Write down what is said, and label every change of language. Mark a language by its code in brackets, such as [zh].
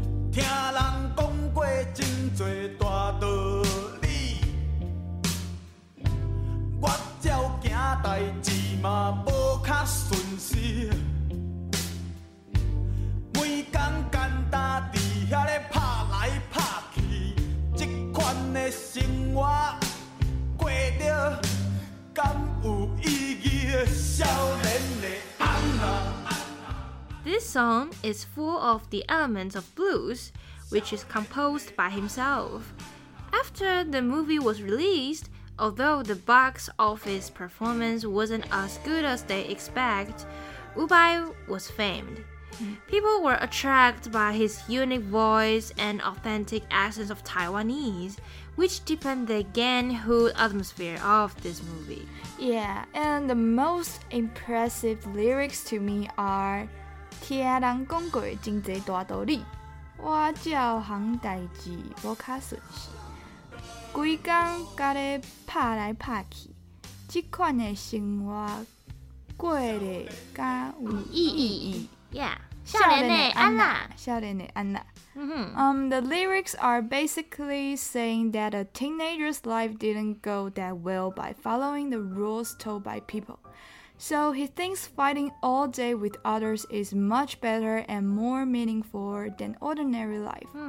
[nan] 听人讲过真多大道理，我照行代志嘛无较顺势，每天干呾伫遐咧拍来拍去，这款的生活过着敢有意义？少年的安娜。 [en] This song is full of the elements of blues, which is composed by himself. After the movie was released, although the box office performance wasn't as good as they expect, Wu-Bai was famed. People were attracted by his unique voice and authentic accent of Taiwanese, which deepened the gang-hood atmosphere of this movie. Yeah, and the most impressive lyrics to me are... [nan] 听人讲过真多大道理，我照行代志无较顺势，规天甲咧拍来拍去，这款的生活过得敢有意义？Yeah， 少年的安娜，少年的安娜。 [en] The lyrics are basically saying that a teenager's life didn't go that well by following the rules told by people. So he thinks fighting all day with others is much better and more meaningful than ordinary life.